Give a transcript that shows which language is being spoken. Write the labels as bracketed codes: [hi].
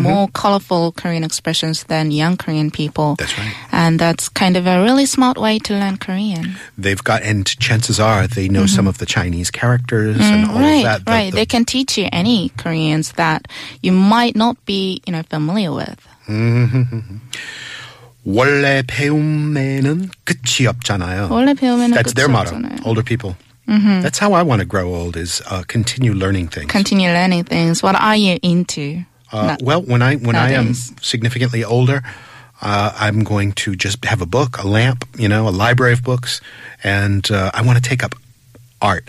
[en] more colorful Korean expressions than young Korean people. That's right. And that's kind of a really smart way to learn Korean. They've got, and chances are, they know mm-hmm. some of the Chinese characters mm-hmm. and all right, of that. Right, right. They can teach you any Koreans that you might not be, you know, familiar with. Mm-hmm. [ko] 원래 배움에는 끝이 없잖아요. 원래 배움에는 [en] That's their motto, [ko] 없잖아요. [en] Older people. Mm-hmm. That's how I want to grow old, is continue learning things. Continue learning things. What are you into? Well, when I am significantly older, I'm going to just have a book, a lamp, you know, a library of books, and I want to take up art.